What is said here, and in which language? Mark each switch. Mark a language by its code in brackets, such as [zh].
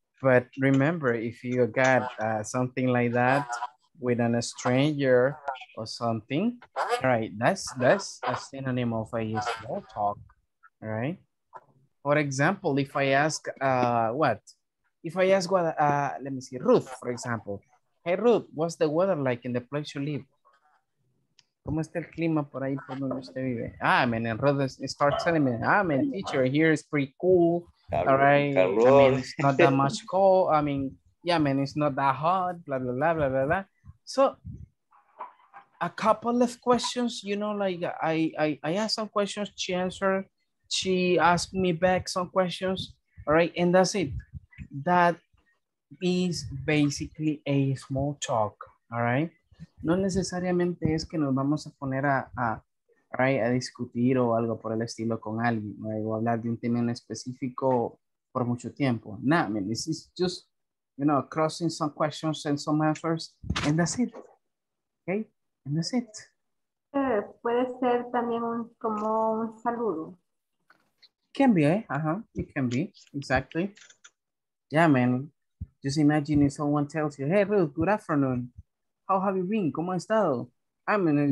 [en] But remember, if you got something like that with an, a stranger or something, right? That's a synonym of a small talk, right? For example, if I ask, let me see, Ruth, for example. Hey, Ruth, what's the weather like in the place you live? [es] ¿Cómo está el clima por ahí por donde usted vive? [en] Ah, I mean, and Ruth starts telling me, ah, man, teacher, here is pretty cool. All right, Carlos. I mean, it's not that much cold. I mean, yeah, man, it's not that hot, blah, blah, blah, blah, blah, blah. So a couple of questions, you know, like I asked some questions, she answered, she asked me back some questions, all right, and that's it. That is basically a small talk, all right? [es] No necesariamente es que nos vamos a poner a discutir o algo por el estilo con alguien, [en] right? [es] O hablar de un tema en específico por mucho tiempo. [en] Nah, I mean, this is just, you know, crossing some questions and some answers, and that's it. Okay? And that's it. [es] Puede ser también un, como un saludo. [en] Can be, it can be, exactly. Yeah, man, just imagine if someone tells you, hey, Ruth, good afternoon. How have you been? [es] ¿Cómo has estado? [en] I mean,